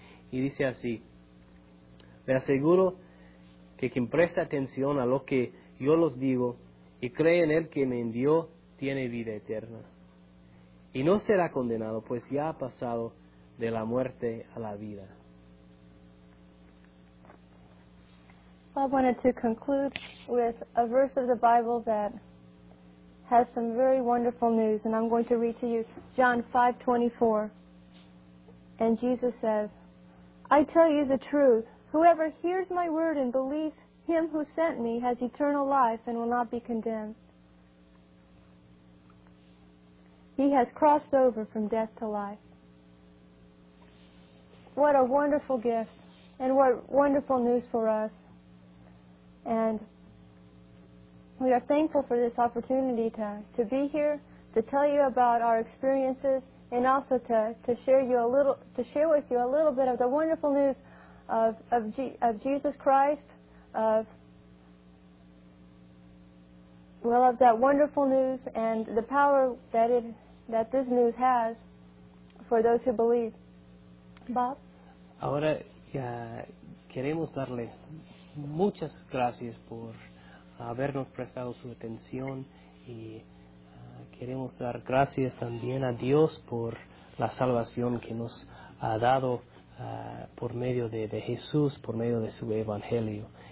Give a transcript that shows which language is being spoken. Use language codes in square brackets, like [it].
[es] Y dice así: le aseguro que quien presta atención a lo que yo los digo y cree en el que me envió, tiene vida eterna. Y no será condenado, pues ya ha pasado de la muerte a la vida. [en] I wanted to conclude with a verse of the Bible that has some very wonderful news, and I'm going to read to you John 5:24. And Jesus says, I tell you the truth. Whoever hears my word and believes him who sent me has eternal life and will not be condemned. He has crossed over from death to life. What a wonderful gift and what wonderful news for us. And we are thankful for this opportunity to be here, to tell you about our experiences, and also to share with you a little bit of the wonderful news of Jesus Christ, of that wonderful news and the power that this news has for those who believe. Bob. [es] Ahora ya queremos darle muchas gracias por habernos prestado su atención y queremos dar gracias también a Dios por la salvación que nos ha dado por medio de Jesús, por medio de su Evangelio.